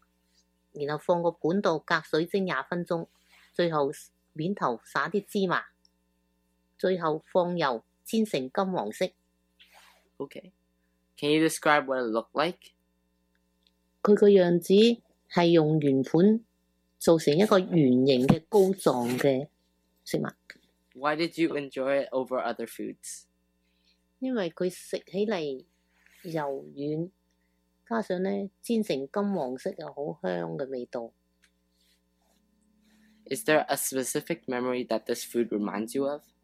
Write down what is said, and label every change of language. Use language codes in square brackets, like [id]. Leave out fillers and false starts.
[yue] 系首先系用啲材料有面粉、萝卜切成丝，然后加啲冬菇、虾米、油同盐，加水整成糊状，然后放个盘度隔水蒸20分钟。最后面头撒啲芝麻，最后放油煎成金黄色。 [en] Okay, can you describe what it looked like? [yue] 佢个样子系用圆盘做成一个圆形嘅膏状嘅食物。 [en] Why did you enjoy it over other foods? [yue] 因为佢食起嚟柔软，加上咧煎成金黄色又好香嘅味道。 [en] Is there a specific memory that this food reminds you of?